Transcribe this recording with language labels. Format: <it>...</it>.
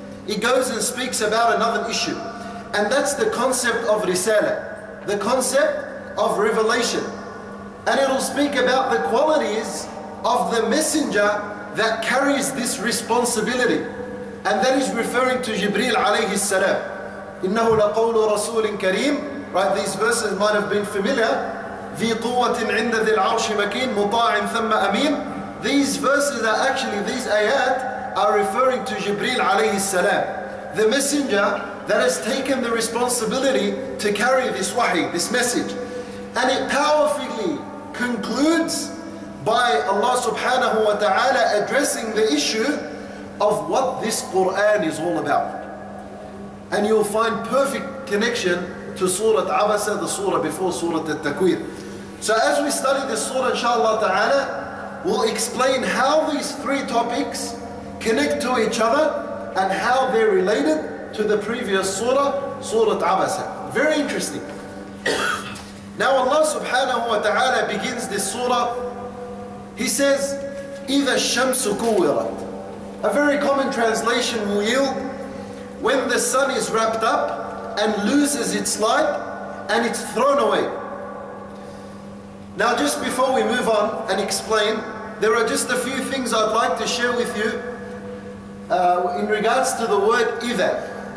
<en>It goes and speaks about another issue. And that's the concept of risala, the concept of revelation. And it'll speak about the qualities of the messenger that carries this responsibility. And that is referring to Jibreel alayhi salam.</en> <ar>إنه لقول رسول كريم.</ar> <en>Right, these verses might have been familiar.</en> <ar>ذي قوة عند ذي العرش مكين مطاع ثم أمين.</ar> <en>These verses are actually, these ayat are referring to Jibreel alayhi salam, the messenger that has taken the responsibility to carry this wahi, this message. And it powerfully concludes by Allah subhanahu wa ta'ala addressing the issue of what this Quran is all about. And you'll find perfect connection to Surah Abasa, the surah before Surah At-Takweer. So as we study this surah inshaAllah ta'ala, we'll explain how these three topics connect to each other and how they're related to the previous surah, Surah Abasa. Very interesting. Now Allah subhanahu wa ta'ala begins this surah. He says,</en> <ar>إِذَا الشَّمْسُ كُوِّرَتْ.</ar> <en>A very common translation will yield, when the sun is wrapped up and loses its light and it's thrown away. Now just before we move on and explain, there are just a few things I'd like to share with you in regards to the word إِذَا.</en>